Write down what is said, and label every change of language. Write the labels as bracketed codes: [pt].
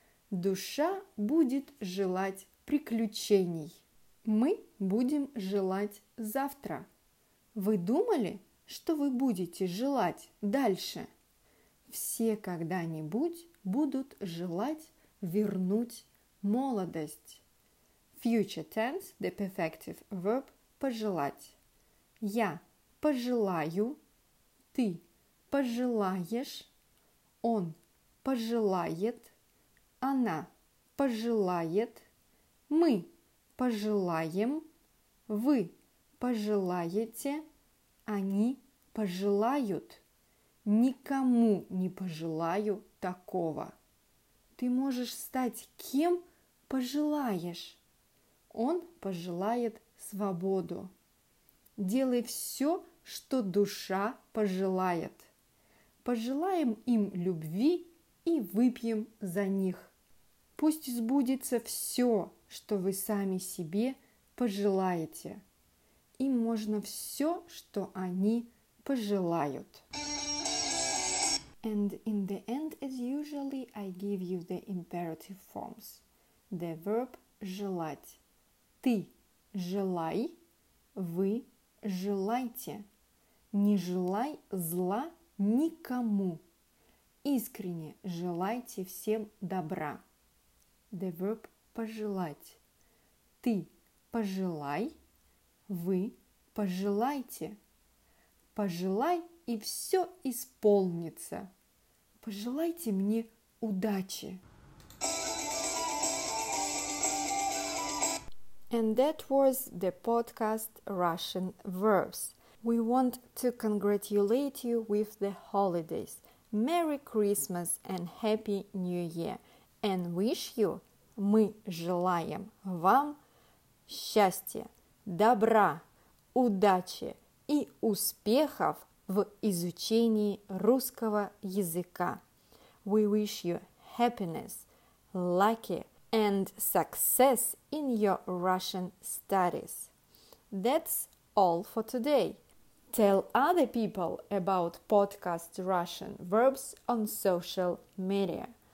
[ru] Душа будет желать приключений. Мы будем желать завтра. Вы думали, что вы будете желать дальше? Все когда-нибудь будут желать вернуть молодость. [en] Future tense, the perfective verb пожелать. [ru] Я пожелаю, ты пожелаешь, он пожелает, она пожелает. Мы пожелаем, вы пожелаете, они пожелают. Никому не пожелаю такого. Ты можешь стать кем пожелаешь. Он пожелает свободу. Делай все, что душа пожелает. Пожелаем им любви и выпьем за них. Пусть сбудется все, что вы сами себе пожелаете. Им можно все, что они пожелают. [en] And in the end, as usually, I give you the imperative forms. The verb желать. [ru] Ты желай, вы желайте. Не желай зла никому. Искренне желайте всем добра. [en] The verb пожелать. [ru] Ты пожелай, вы Пожелайте. Пожелай, и все исполнится. Пожелайте мне удачи. [en] And that was the podcast Russian Verbs. We want to congratulate you with the holidays. Merry Christmas and Happy New Year. And wish you, [ru] мы желаем вам счастья, добра, удачи и успехов в изучении русского языка. [en] We wish you happiness, lucky and success in your Russian studies. That's all for today. Tell other people about podcast Russian Verbs on social media.